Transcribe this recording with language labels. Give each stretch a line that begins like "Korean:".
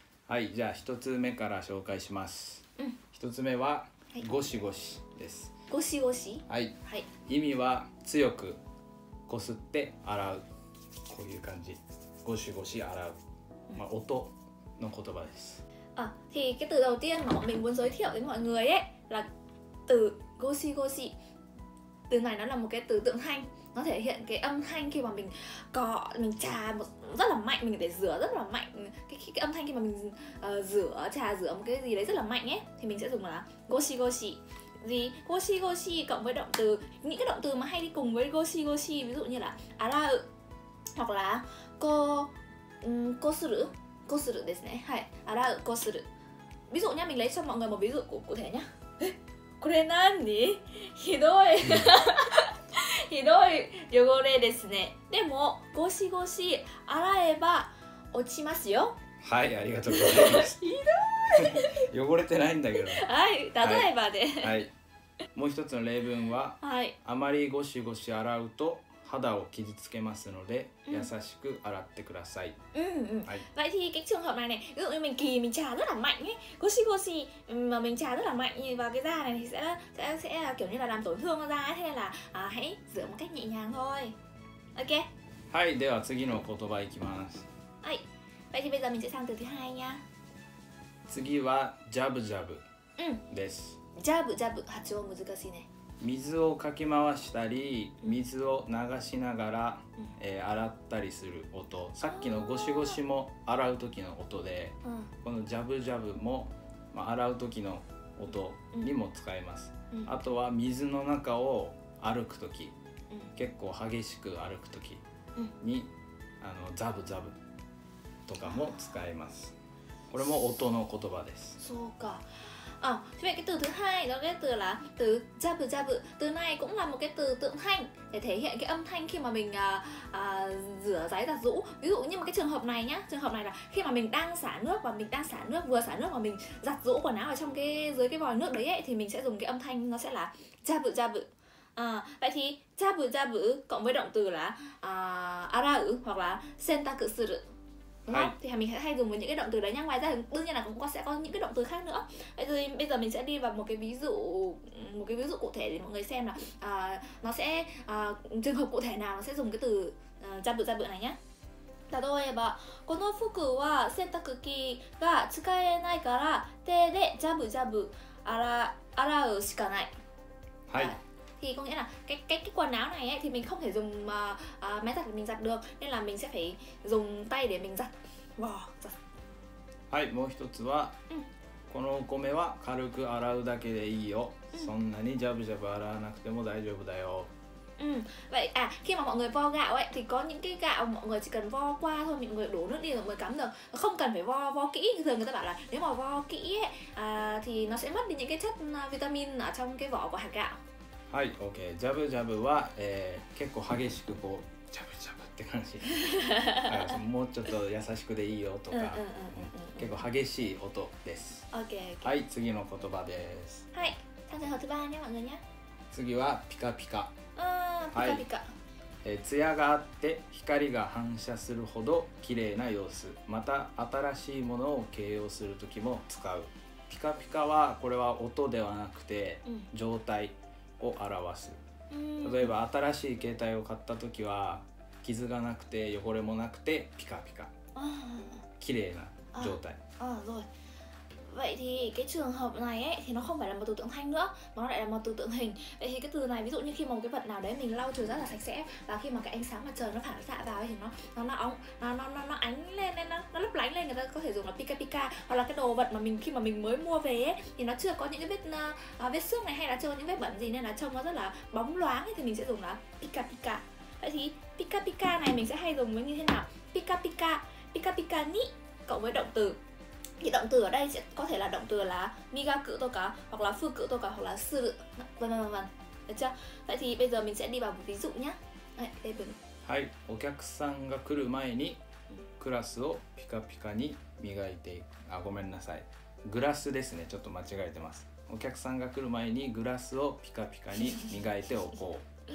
Japanese: はい、じゃあ1つ目から紹介します、うん、 1つ目はゴシゴシです。ゴシゴシ、はい、はい、意味は強くこすって洗う、こういう感じ、ゴシゴシ洗う、まあ、音の言葉です。
Vietnamese: あ、thì cái từ đầu tiên mà mình muốn giới thiệu đến mọi người ấy là từ ゴシゴシ。 từ này nó là một cái từ tượng thanh, nó thể hiện cái âm thanh khi mà mình cọ, mình trà rất là mạnh, mình để rửa rất là mạnh, cái âm thanh khi mà mình rửa một cái gì đấy rất là mạnh ấy, thì mình sẽ dùng là ゴシゴシ。 gì ゴシゴシ cộng với động từ, những cái động từ mà hay đi cùng với ゴシゴシ, ví dụ như là 洗う hoặc là こする ですね。
Japanese: はい、洗う、こする。
Vietnamese: ví dụ nha, mình lấy cho mọi người một ví dụ cụ thể nhá.
Japanese: これ何に?ひどい。ひどい汚れですね。でも、ゴシゴシ洗えば落ちますよ。はい、ありがとうございます。ひどい。汚れてないんだけど。はい、例えばで、はい。はい。もう一つの例文は、はい、あまりゴシゴシ洗うと、肌を傷つけますので、優しく洗ってください。うんうん。はい。
Vietnamese: vậy thì cái trường hợp này này, ví dụ mình kì mình trà rất là mạnh ấy, ゴシゴシ mà mình trà rất là mạnh vào cái da này thì sẽ kiểu như là làm tổn thương da ấy, thế là hãy rửa một cách nhẹ nhàng thôi.
English: OK.
Japanese: はい、では次の言葉いきます。はい。
Vietnamese: vậy thì bây giờ mình sẽ sang từ thứ hai nha.
Japanese: 次はジャブジャブ。うん。です。ジャブジャブ、発音難しいね。水をかき回したり、水を流しながら、うん、洗ったりする音。さっきのゴシゴシも洗う時の音で、うん、このジャブジャブも、まあ、洗う時の音にも使えます、うん、あとは水の中を歩く時、うん、結構激しく歩く時に、うん、ザブザブとかも使えます。これも音の言葉です。そうか。
Vietnamese: À, thì cái từ thứ hai đó, cái từ là từ jab jab, từ này cũng là một cái từ tượng thanh để thể hiện cái âm thanh khi mà mình rửa ráy giặt rũ. Ví dụ như mà cái trường hợp này nhá, trường hợp này là khi mà mình đang xả nước và mình đang xả nước, vừa xả nước mà mình giặt rũ quần áo ở trong cái dưới cái vòi nước đấy ấy, thì mình sẽ dùng cái âm thanh nó sẽ là jab jab. Vậy thì jab jab cộng với động từ là arau hoặc là sentaku suru. Thì mình sẽ hay dùng với những cái động từ đấy nhá. Ngoài ra đương nhiên là cũng sẽ có những cái động từ khác nữa. Vậy thì bây giờ mình sẽ đi vào một cái ví dụ cụ thể để mọi người xem là nó sẽ trường hợp cụ thể nào nó sẽ dùng cái từ ジャブジャブ này nhá.
Japanese: 例えばこの服は洗濯機が使えないから手でジャブジャブ洗うしかない。はい。
Vietnamese: Thì có nghĩa là cái quần áo này ấy, thì mình không thể dùng máy giặt để mình giặt được, nên là mình sẽ phải dùng tay để mình giặt.
Japanese: はい、もう一つは、このお米は軽く洗うだけでいいよ。そんなにジャブジャブ洗わなくても大丈夫だよ。
Vietnamese: Vậy à, khi mà mọi người vo gạo ấy, thì có những cái gạo mọi người chỉ cần vo qua thôi, mọi người đổ nước đi rồi mới cắm được, không cần phải vo kỹ. Thường người ta bảo là nếu mà vo kỹ ấy, thì nó sẽ mất đi những cái chất vitamin ở trong cái vỏ của hạt gạo.
Japanese: はい、OK。ジャブジャブは、結構激しくこうジャブジャブって感じ。もうちょっと優しくでいいよとか、結構激しい音です。
English: OK。
Japanese: はい、次の言葉です。はい、次の言葉は何や？次はピカピカ。ピカピカ。はい、ツヤがあって光が反射するほど綺麗な様子。また新しいものを形容するときも使う。ピカピカはこれは音ではなくて状態。うんを表す。例えば新しい携帯を買った時は傷がなくて汚れもなくてピカピカ、綺麗な状態。
Vietnamese: rồi. Vậy thì cái trường hợp này ấy, thì nó không phải là một từ tượng thanh nữa, mà nó lại là một từ tượng hình. Vậy thì cái từ này ví dụ như khi mà một cái vật nào đấy mình lau chùi rất là sạch sẽ, và khi mà cái ánh sáng mặt trời nó phản xạ vào thì nó ánh lên, nó lấp lánh lên, người ta có thể dùng là pika pika. Hoặc là cái đồ vật mà mình khi mà mình mới mua về ấy, thì nó chưa có những cái vết xước này, hay là chưa có những vết bẩn gì, nên là trông nó rất là bóng loáng ấy, thì mình sẽ dùng là pika pika. Vậy thì pika pika này mình sẽ hay dùng với như thế nào? Pika pika, pika pika ni cộng với động từ. Thì động từ ở đây có thể là động từ là 磨く とか hoặc là 拭く とか hoặc là する vân vân vân vân. được chưa? Vậy thì bây giờ mình sẽ đi vào một ví dụ nhé.
Japanese: はい、お客さんが来る前にグラスをピカピカに磨いていく。あ、ごめんなさい。グラスですね。ちょっと間違えてます。お客さんが来る前にグラスをピカピカに磨いておこう。